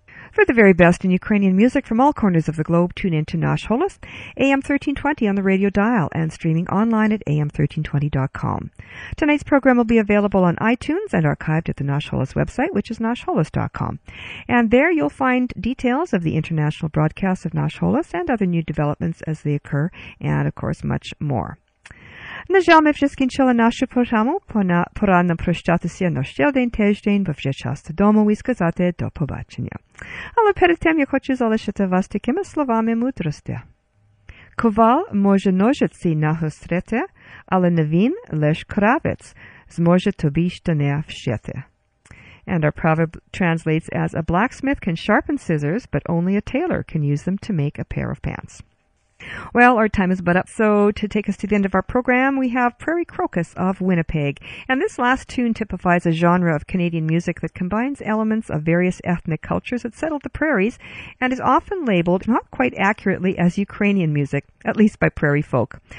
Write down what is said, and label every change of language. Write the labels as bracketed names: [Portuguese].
[English] For the very best in Ukrainian music from all corners of the globe, tune in to Nash Holos, AM 1320 on the radio dial and streaming online at am1320.com. Tonight's program will be available on iTunes and archived at the Nash Holos website, which is nashholos.com. And there you'll find details of the international broadcasts of Nash Holos and other new developments as they occur, and of course much more. [Ukrainian] На жаль, ми вже скінчили нашу програму. Пора нам прощатися на ще один тиждень, бо вже час додому і сказати до побачення. Але перед тим я хочу залишити вас такими словами мудрості. Ковал може ножиці нагострити, але не він, лиш кравець, зможе тобі штани вшити. [English] And our proverb translates as, a blacksmith can sharpen scissors, but only a tailor can use them to make a pair of pants. Well, our time is but up, so to take us to the end of our program, we have Prairie Crocus of Winnipeg. And this last tune typifies a genre of Canadian music that combines elements of various ethnic cultures that settled the prairies and is often labeled, not quite accurately, as Ukrainian music, at least by prairie folk.